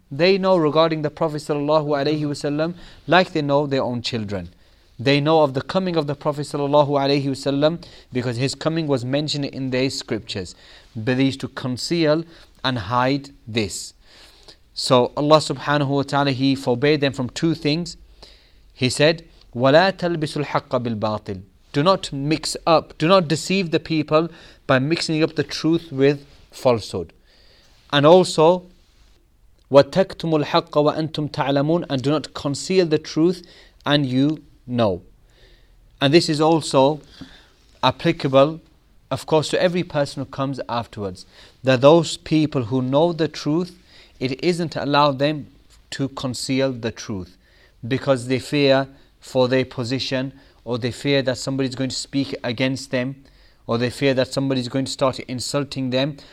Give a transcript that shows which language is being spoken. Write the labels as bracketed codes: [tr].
[en] They know regarding the Prophet sallallahu alaihi wasallam like they know their own children. They know of the coming of the Prophet sallallahu alaihi wasallam because his coming was mentioned in their scriptures. But they used to conceal and hide this. So Allah subhanahu wa ta'ala, He forbade them from two things. He said, [ar] وَلَا تَلْبِسُ الْحَقَّ بِالْبَاطِلِ. [en] Do not mix up, do not deceive the people by mixing up the truth with falsehood. And also, [ar] وَتَكْتُمُ الْحَقَّ وَأَنْتُمْ تَعْلَمُونَ. [en] And do not conceal the truth and you know. And this is also applicable of course, to every person who comes afterwards, that those people who know the truth, it isn't allowed them to conceal the truth because they fear for their position, or they fear that somebody is going to speak against them, or they fear that somebody is going to start insulting them.